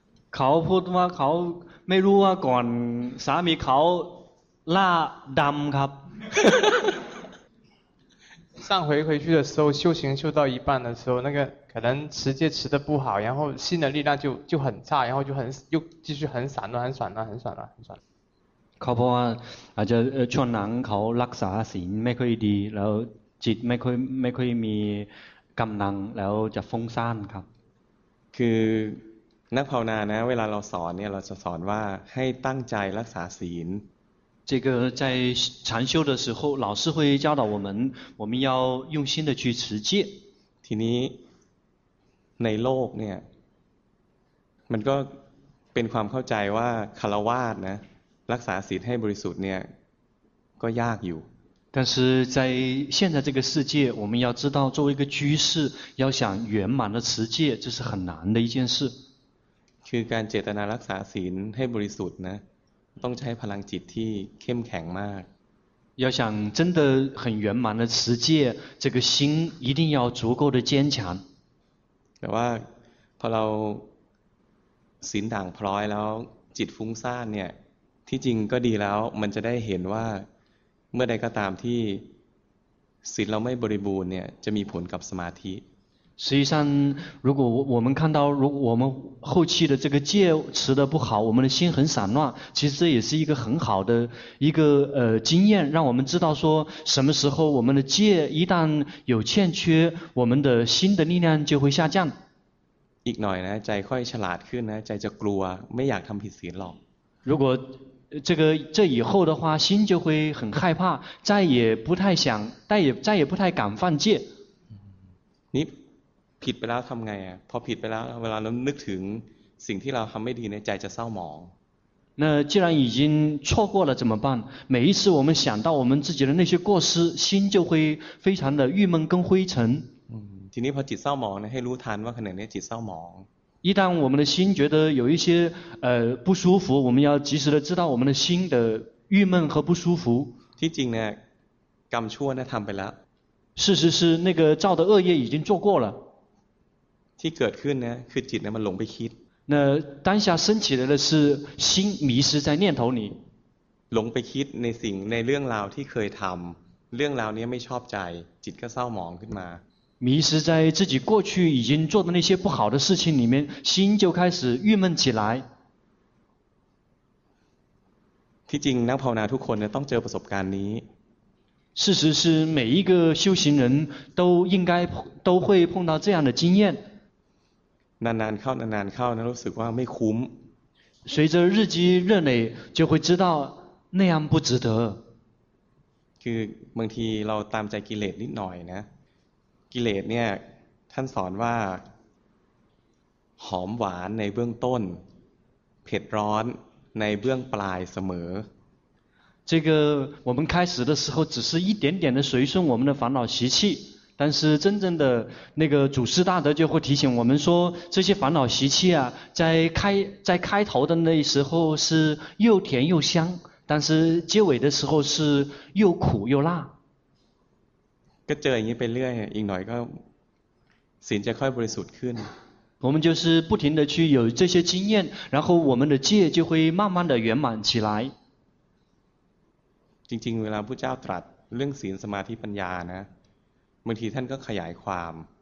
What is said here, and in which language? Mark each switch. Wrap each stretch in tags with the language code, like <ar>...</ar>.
<zh>考普通话考没入啊，管啥米考那当卡。上回回去的时候，修行修到一半的时候，那个可能持戒持的不好，然后心的力量就很差，然后就很又继续很散乱，很散乱，很散乱，很散乱。</zh> <th>เขาเพราะว่าอาจจะช่วงหลังเขารักษาศีลไม่ค่อยดีแล้วจิตไม่ค่อยมีกำลังแล้วจะฟุ้งซ่านครับ คือนักภาวนานะเวลาเราสอนเนี่ยเราจะสอนว่าให้ตั้งใจรักษาศีล</th> <zh>这个在禅修的时候老师会教导我们要用心的去持戒</zh> <th>ทีนี้ในโลกเนี่ยมันก็เป็นความเข้าใจว่าคารวาสนะรักษาศีลให้บริสุทธิ์เนี่ยก็ยากอยู่</th> <zh>但是在现在这个世界我们要知道作为一个居士要想圆满的持戒这是很难的一件事</zh> <th>คือการเจตนารักษาศีลให้บริสุทธิ์นะต้องใช้พลังจิตที่เข้มแข็งมาก</th> <zh>要想真的很圆满的持戒这个心一定要足够的坚强</zh> <th>แต่ว่าพอเราศีลด่างพร้อยแล้วจิตฟุ้งซ่านเนี่ยที่จริงก็ดีแล้วมันจะได้เห็นว่าเมื่อใดก็ตามที่ศีลเราไม่บริบูรณ์เนี่ยจะมีผลกับสมาธิ</th> <zh>实际上如果我们看到如果我们后期的这个戒持的不好我们的心很散乱其实这也是一个很好的一个经验让我们知道说什么时候我们的戒一旦有欠缺我们的心的力量就会下降</zh> <th>อีกหน่อยนะใจค่อยฉลาดขึ้นนะใจจะกลัวไม่อยากทำผิดศีลหรอก</th> <zh>如果这以后的话心就会很害怕再也不太想再也不太敢犯戒</zh> <th>你ผิดไปแล้วทำไงอ่ะพอผิดไปแล้วเวลาเรานึกถึงสิ่งที่เราทำไม่ดีในใจจะเศร้าหมอง</th> <zh>那既然已经错过了怎么办每一次我们想到我们自己的那些过失心就会非常的郁闷跟灰尘</zh> <th>ทีนี้พอจิตเศร้าหมองนะให้รู้ทันว่าขณะนี้จิตเศร้าหมอง</th> <zh>一旦我们的心觉得有一些不舒服我们要及时的知道我们的心的郁闷和不舒服</zh> <th>ที่จริงเนี่ยกรรมชั่วเนี่ยทำไปแล้ว</th> <zh>事实是那个造的恶业已经做过了</zh> <th>ที่เกิดขึ้นเนี่ยคือจิตเนี่ยมันหลงไปคิด</th> <zh>那当下升起来的是心迷失在念头里</zh> <th>หลงไปคิดในสิ่งในเรื่องราวที่เคยทำเรื่องราวนี้ไม่ชอบใจจิตก็เศร้าหมองขึ้นมา</th> <zh>迷失在自己过去已经做的那些不好的事情里面，心就开始郁闷起来。</zh> <th>ที่จริงนักภาวนาทุกคนเนี่ยต้องเจอประสบการณ์นี้。</th> <zh>事实是每一个修行人都会碰到这样的经验。</zh> <th>นานๆเข้าแล้วรู้สึกว่าไม่คุ้ม。</th> <zh>随着日积月累，就会知道那样不值得。</zh> <th>คือบางทีเราตามใจกิเลสนิดหน่อยนะกิเลสเนี่ยท่านสอนว่าหอมหวานในเบื้องต้นเผ็ดร้อนในเบื้องปลายเสมอ</th> <zh>这个我们开始的时候只是一点点的随顺我们的烦恼习气但是真正的那个祖师大德就会提醒我们说这些烦恼习气啊在开头的那时候是又甜又香但是结尾的时候是又苦又辣</zh> <th>ก็เจออย่างนี้ไปเรื่อยอีกหน่อยก็ศีลจะค่อยบริสุทธิ์ขึ้น</th> <zh>我们就是不停的去有这些经验然后我们的戒就会慢慢的圆满起来</zh> <th>จริงๆเวลาพุทธเจ้าตรัสเรื่องศีลสมาธิปัญญานะบางทีท่านก็ขยายความ</th>